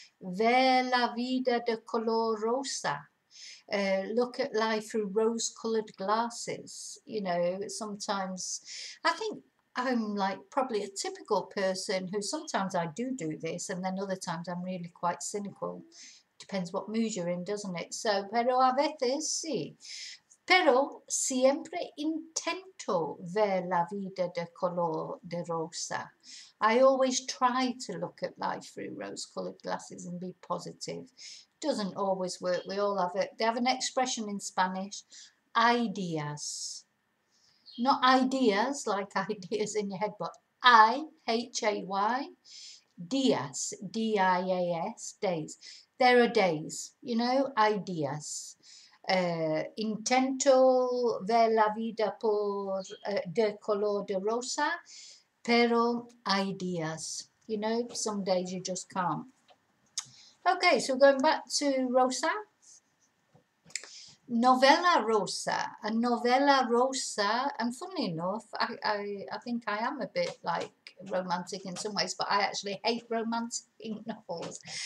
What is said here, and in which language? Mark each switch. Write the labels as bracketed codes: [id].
[es] Ver la vida de color rosa. [en] Look at life through rose-coloured glasses. You know, sometimes I think I'm like probably a typical person who sometimes I do this, and then other times I'm really quite cynical. Depends what mood you're in, doesn't it? So, [es] pero a veces sí. Pero siempre intento ver la vida de color de rosa. [en] I always try to look at life through rose-coloured glasses and be positive. Doesn't always work. We all have it. They have an expression in Spanish, ideas. Not ideas, like ideas in your head, but I-H-A-Y, días, D-I-A-S, days. There are days, you know, ideas. [es] Intento ver la vida por de color de rosa, pero ideas. [en] You know, some days you just can't. Okay, so going back to rosa. [es] Novela rosa. A novela rosa. [en] And funnily enough, I think I am a bit like romantic in some ways, but I actually hate romantic novels.